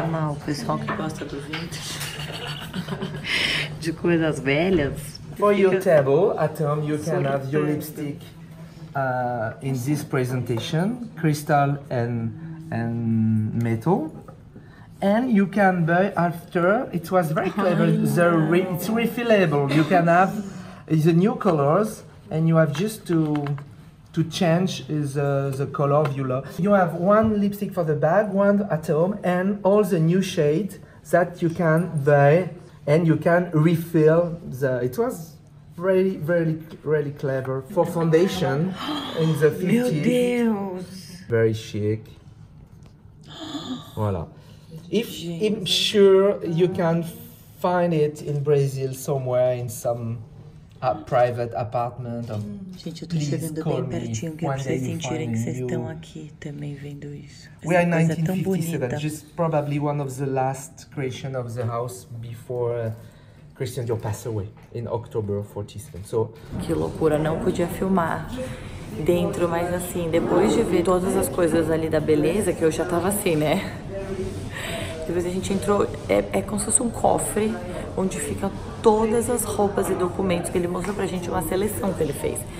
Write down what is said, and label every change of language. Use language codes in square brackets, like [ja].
[pt] O pessoal que gosta do vintage, de coisas velhas. [en] For your table, at home, you can have your lipstick in this presentation, crystal and metal. And you can buy after, it was very clever, it's refillable. You can have the new colors and you have just to change the color of your love. You have one lipstick for the bag, one at home, and all the new shade that you can buy, and you can refill the... It was really, really, really clever for foundation in the 50s. [pt] Meu Deus! [en] Very chic. Voilà. If, I'm sure you can find it in Brazil somewhere in some... A private apartment. [pt] Gente, eu tô chegando bem pertinho, que vocês sentirem que vocês estão aqui também vendo isso. [en] We are 1957, just probably one of the last creation of the house before Christian Dior passed away in October 47. So [pt] que loucura, não podia filmar. dentro, mas assim, depois de ver todas as coisas ali da beleza, que eu já tava assim, né? Depois a gente entrou, é como se fosse um cofre, onde fica todas as roupas e documentos que ele mostrou pra gente, uma seleção que ele fez.